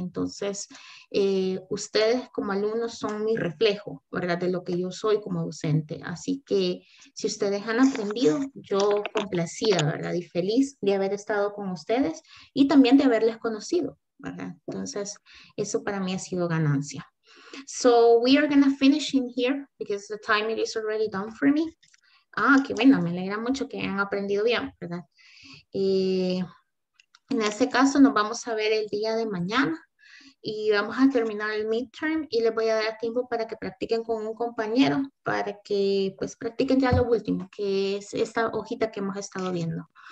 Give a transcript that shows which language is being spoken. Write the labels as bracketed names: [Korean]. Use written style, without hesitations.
[Spanish] Entonces, ustedes como alumnos son mi reflejo, ¿verdad? De lo que yo soy como docente. Así que, si ustedes han aprendido, yo complacida, ¿verdad? Y feliz de haber estado con ustedes y también de haberles conocido, ¿verdad? Entonces, eso para mí ha sido ganancia. [English] So we are going to finish in here because the time it is already done for me. [Spanish] Ah, qué bueno, me alegra mucho que hayan aprendido bien, ¿verdad? En ese caso nos vamos a ver el día de mañana y vamos a terminar el midterm y les voy a dar tiempo para que practiquen con un compañero, para que pues practiquen ya lo último, que es esta hojita que hemos estado viendo.